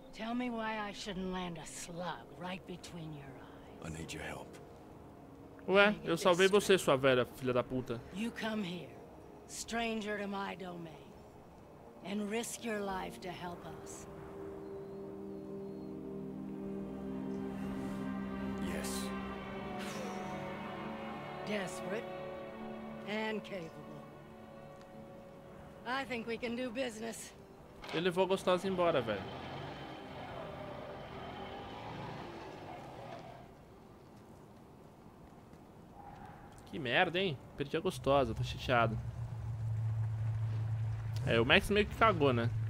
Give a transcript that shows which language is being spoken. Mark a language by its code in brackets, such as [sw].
[en] Tell me why I shouldn't land a slug right between your eyes. I need your help. [pt] Ué, eu salvei você, sua velha filha da puta. [en] You come here, stranger to my domain, and risk your life to help us. Yes. Desperate and capable. I think we can do business. [pt] Ele levou gostosa embora, velho. Que merda, hein? Perdi a gostosa, tô chateado. É, o Max meio que cagou, né?